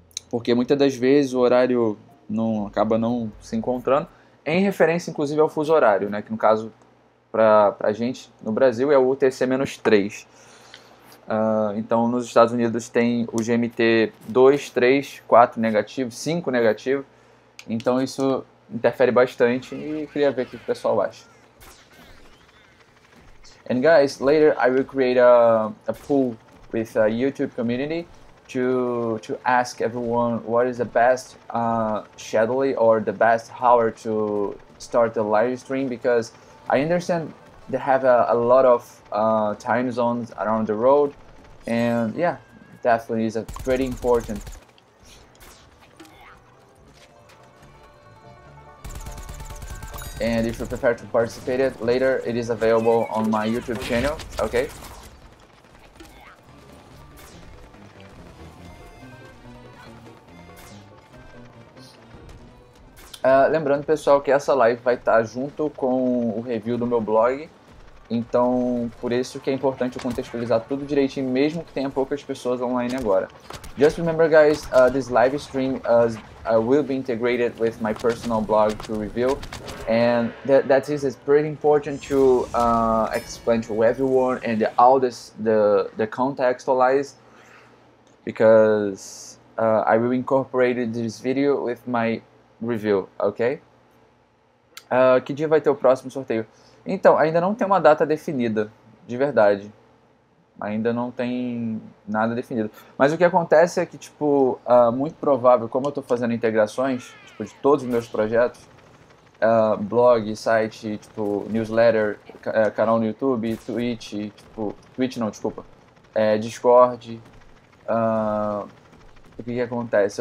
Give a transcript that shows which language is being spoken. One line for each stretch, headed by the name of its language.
Portuguese: Porque muitas das vezes o horário não acaba não se encontrando, em referência inclusive ao fuso horário, né? Que no caso, para a gente no Brasil, é o UTC-3. Então, nos Estados Unidos tem o GMT 2, 3, 4 negativo, 5 negativo. Então, isso interfere bastante e queria ver o que o pessoal acha.
English: And guys, later I will create a poll with a YouTube community to ask everyone what is the best schedule or the best hour to start the live stream, because I understand they have a lot of time zones around the road. And yeah, definitely is a pretty important. And if you prefer to participate it later, it is available on my YouTube channel, okay?
Portuguese: Lembrando, pessoal, que essa live vai estar junto com o review do meu blog. Então, por isso que é importante eu contextualizar tudo direitinho, mesmo que tenha poucas pessoas online agora.
English: Just remember, guys, this live stream will be integrated with my personal blog to review, and that is pretty important to explain to everyone and all this the contextualize, because I will incorporate this video with my review, ok?
Portuguese: Que dia vai ter o próximo sorteio? Então, ainda não tem uma data definida, de verdade. Ainda não tem nada definido. Mas o que acontece é que, tipo, muito provável, como eu tô fazendo integrações, tipo, de todos os meus projetos, blog, site, tipo, newsletter, canal no YouTube, Twitch, tipo, Twitch não, desculpa, Discord, o que que acontece?